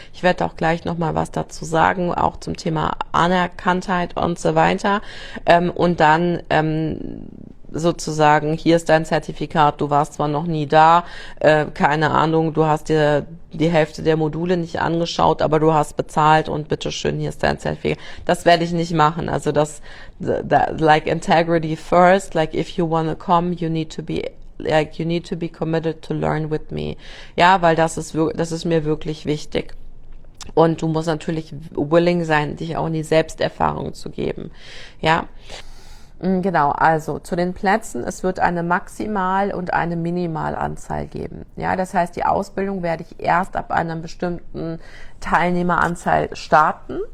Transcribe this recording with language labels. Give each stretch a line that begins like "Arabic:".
German: Ich werde auch gleich noch mal was dazu sagen, auch zum Thema Anerkanntheit und so weiter. Und dann sozusagen, hier ist dein Zertifikat, du warst zwar noch nie da, keine Ahnung, du hast dir die Hälfte der Module nicht angeschaut, aber du hast bezahlt und bitteschön, hier ist dein Zertifikat. Das werde ich nicht machen. Also das,
English: like integrity first, like if you want to come, you need to be like you need to be committed to learn with me.
German: Ja, weil das ist mir wirklich wichtig. Und du musst natürlich willing sein, dich auch in die Selbsterfahrung zu geben. Ja, genau. Also zu den Plätzen. Es wird eine Maximal- und eine Minimalanzahl geben. Ja, das heißt, die Ausbildung werde ich erst ab einer bestimmten Teilnehmeranzahl starten.